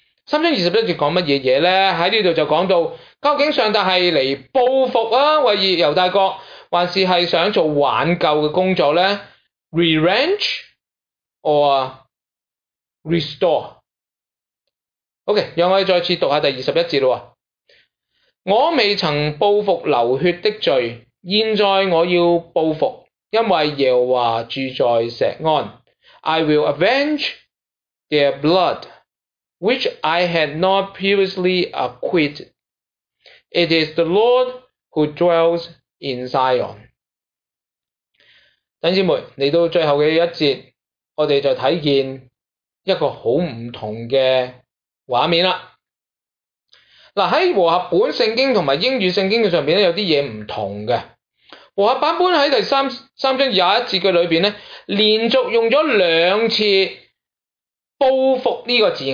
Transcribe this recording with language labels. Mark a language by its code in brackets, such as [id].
[yue] 三章二十一节讲乜嘢嘢呢？喺呢度就讲到，究竟上帝系嚟报复啊，为犹大国，还是系想做挽救嘅工作呢 ？ [en] Revenge or？ Restore。 [yue] OK， 让我再次读下第二十一节咯。我未曾报复流血的罪，现在我要报复，因为耶和华住在锡安。 [en] I will avenge their blood, which I had not previously acquitted. It is the Lord who dwells in Zion。 [yue] 弟兄们，嚟到最后嘅一节，我哋就睇见。一个好唔同嘅画面啦。嗱，喺和合本圣经同埋英语圣经嘅上面咧，有啲嘢唔同嘅。和合版本喺第三章廿一节嘅里面咧，连续用咗两次报复呢个字眼。